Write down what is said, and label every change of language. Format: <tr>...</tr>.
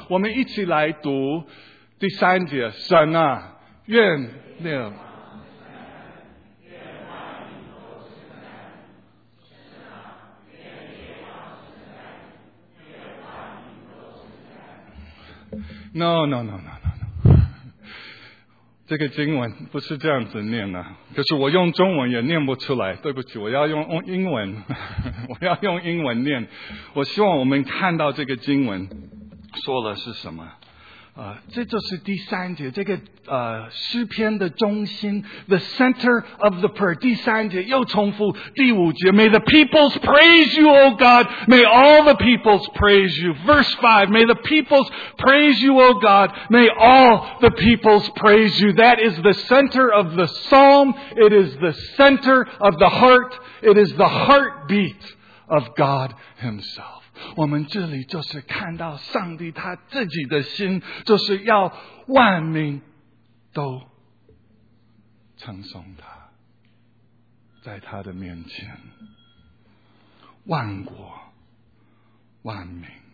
<zh>我们一起来读第三节。神啊，愿你</zh> <en>No.</en> <zh>这个经文不是这样子念的，可是我用中文也念不出来，对不起，我要用英文，我要用英文念。我希望我们看到这个经文说的是什么。这就是第三节，这个诗篇的中心</zh> <en>,the center of the prayer,</en> <zh>第三节又重复第五节</zh> <en>,may the peoples praise you, O God, may all the peoples praise you. Verse 5, may the peoples praise you, O God, may all the peoples praise you. That is the center of the psalm, it is the center of the heart, it is the heartbeat of God Himself.</en> <zh>我们这里就是看到上帝他自己的心，就是要万民都称颂他，在他的面前，万国万民。</zh>